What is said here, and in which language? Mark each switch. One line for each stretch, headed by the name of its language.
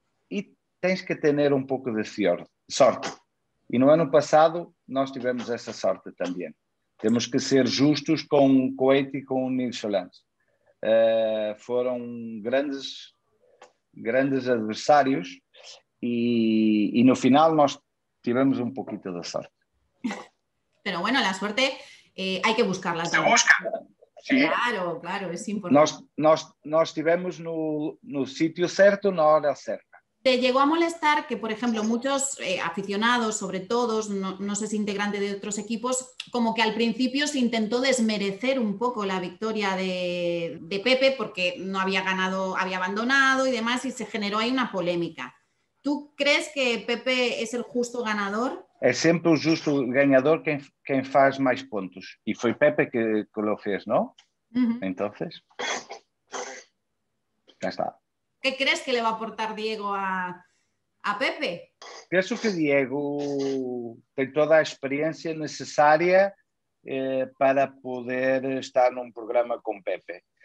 Portuguese: E tens que ter um pouco de sorte. E no ano passado, nós tivemos essa sorte também. Temos que ser justos com o Cohete e com o Nils Schelands. Foram grandes adversários e no final nós tivemos um pouquinho de sorte.
Spanish: Pero bueno, la suerte hay que buscarla. Se busca. Sí. Claro, claro, es importante.
Portuguese: Nos estivemos no sitio certo, na hora certa.
Spanish: ¿Te llegó a molestar que, por ejemplo, muchos aficionados, sobre todo, no sé si integrante de otros equipos, como que al principio se intentó desmerecer un poco la victoria de Pepe porque no había ganado, había abandonado y demás, y se generó ahí una polémica? ¿Tú crees que Pepe es el justo ganador?
Portuguese: É sempre o justo ganhador quem faz mais pontos. E foi Pepe que o fez, não? Uhum. Então, já está. O que crees que lhe vai aportar Diego a Pepe? Penso que Diego tem toda a experiência necessária para poder estar num programa com Pepe.